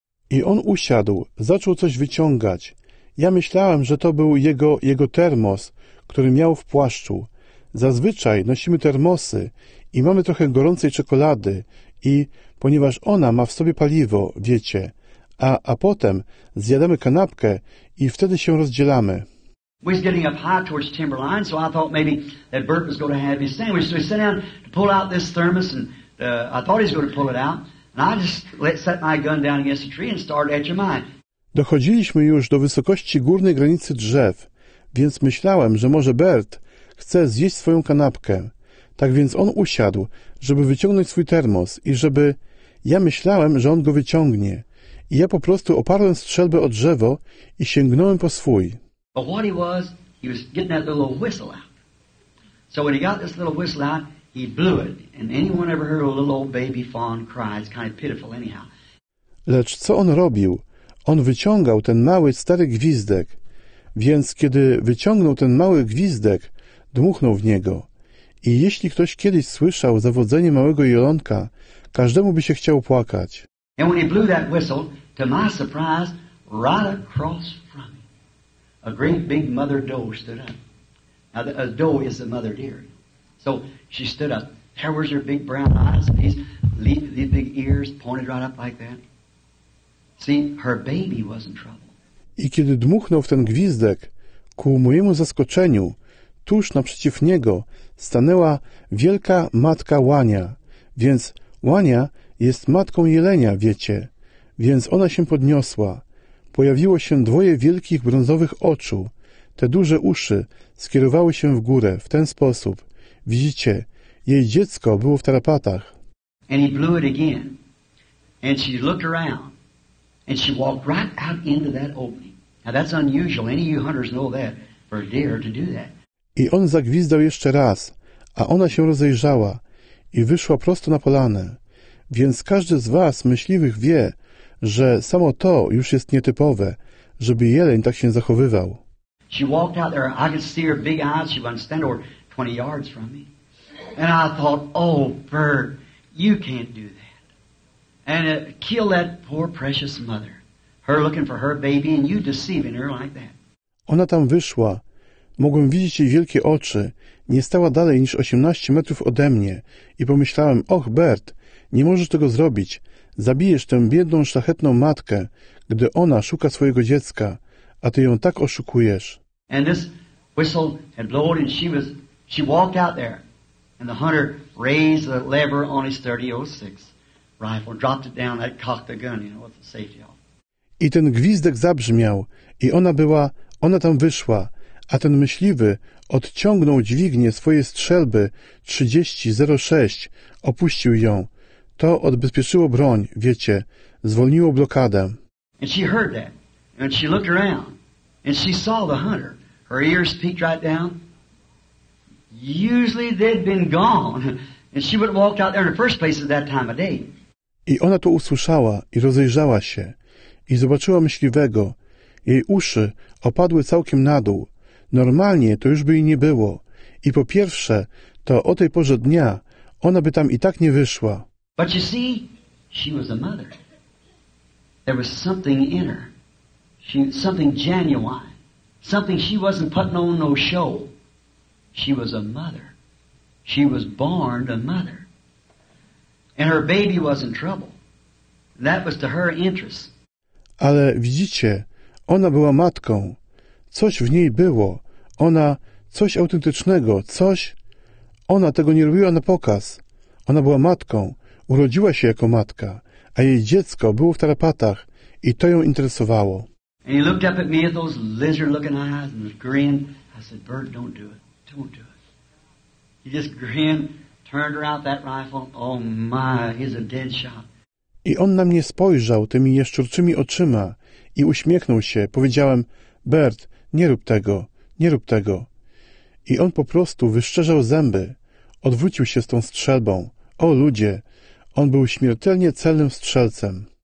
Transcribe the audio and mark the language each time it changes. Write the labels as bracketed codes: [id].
[pl] I on usiadł, zaczął coś wyciągać. Ja myślałem, że to był jego termos, który miał w płaszczu. Zazwyczaj nosimy termosy i mamy trochę gorącej czekolady i ponieważ ona ma w sobie paliwo, wiecie, a potem zjadamy kanapkę i wtedy się rozdzielamy. [en] We was getting up high towards Timberline, so I thought maybe that Bert was going to have his sandwich. So he sat down to pull out this thermos, and I thought he was going to pull it out. And I just set my gun down against the tree and started at your mind. [pl] Dochodziliśmy już do wysokości górnej granicy drzew, więc myślałem, że może Bert chce zjeść swoją kanapkę. Tak więc on usiadł, żeby wyciągnąć swój termos i żeby... Ja myślałem, że on go wyciągnie. I ja po prostu oparłem strzelbę o drzewo i sięgnąłem po swój. [en] But what he was getting that little whistle out. So when he got this little whistle out, he blew it. And anyone ever heard a little old baby fawn cry? It's kind of pitiful anyhow. [pl] Lecz co on robił? On wyciągał ten mały, stary gwizdek. Więc kiedy wyciągnął ten mały gwizdek, dmuchnął w niego. I jeśli ktoś kiedyś słyszał zawodzenie małego jelonka, każdemu by się chciał płakać. [en] And when he blew that whistle, to my surprise, right across from me, a great big mother doe stood up. Now, a doe is a mother deer. So she stood up. There was her big brown eyes, these big ears pointed right up like that. See, her baby was in trouble. [pl] I kiedy dmuchnął w ten gwizdek, ku mojemu zaskoczeniu, tuż naprzeciw niego stanęła wielka matka łania. Więc łania jest matką jelenia, wiecie. Więc ona się podniosła. Pojawiło się dwoje wielkich brązowych oczu. Te duże uszy skierowały się w górę w ten sposób. Widzicie, jej dziecko było w tarapatach. [en] And he blew it again. And she looked around. And she walked right out into that opening. Now that's unusual. Any of you hunters know that for a deer to do that. [pl] I on zagwizdał jeszcze raz, a ona się rozejrzała i wyszła prosto na polanę. Więc każdy z was, myśliwych, wie, że samo to już jest nietypowe, żeby jeleń tak się zachowywał. [en] She walked out there. I could see her big eyes. She wasn't standing over 20 yards from me. And I thought, oh, Bert, you can't do that. And kill that poor, precious mother. Her looking for her baby and you deceiving her like that. [pl] Ona tam wyszła. Mogłem widzieć jej wielkie oczy. Nie stała dalej niż 18 metrów ode mnie. I pomyślałem, Bert, nie możesz tego zrobić. Zabijesz tę biedną, szlachetną matkę, gdy ona szuka swojego dziecka, a ty ją tak oszukujesz. [en] And this whistle had blown and she walked out there. And the hunter raised the lever on his .30-06 rifle, dropped it down, that cocked the gun, you know, with the safety off. [pl] I ten gwizdek zabrzmiał i ona tam wyszła. A ten myśliwy odciągnął dźwignię swojej strzelby 30-06, opuścił ją. To odbezpieczyło broń, wiecie, zwolniło blokadę. [en] And she heard that, and she looked around, and she saw the hunter. Her ears peeked right down. Usually they'd been gone, and she would have walked out there in the first place at that time of day. [pl] I ona to usłyszała i rozejrzała się, i zobaczyła myśliwego. Jej uszy opadły całkiem na dół. Normalnie to już by jej nie było. I po pierwsze, to o tej porze dnia ona by tam i tak nie wyszła. [en] But you see, she was a mother. There was something in her. Something genuine. Something she wasn't putting on no show. She was a mother. She was born a mother. And her baby was in trouble. That was to her interest. [pl] Ale widzicie, ona była matką. Coś w niej było. Ona, coś autentycznego, coś... Ona tego nie robiła na pokaz. Ona była matką, urodziła się jako matka, a jej dziecko było w tarapatach i to ją interesowało. [en] And he looked up at me with those lizard-looking eyes and grinned. I said, Bert, don't do it. Don't do it. He just grinned, turned around that rifle. Oh my, he's a dead shot. [pl] I on na mnie spojrzał tymi jaszczurczymi oczyma i uśmiechnął się. Powiedziałem... Bert, nie rób tego, nie rób tego. I on po prostu wyszczerzał zęby. Odwrócił się z tą strzelbą. O ludzie, on był śmiertelnie celnym strzelcem.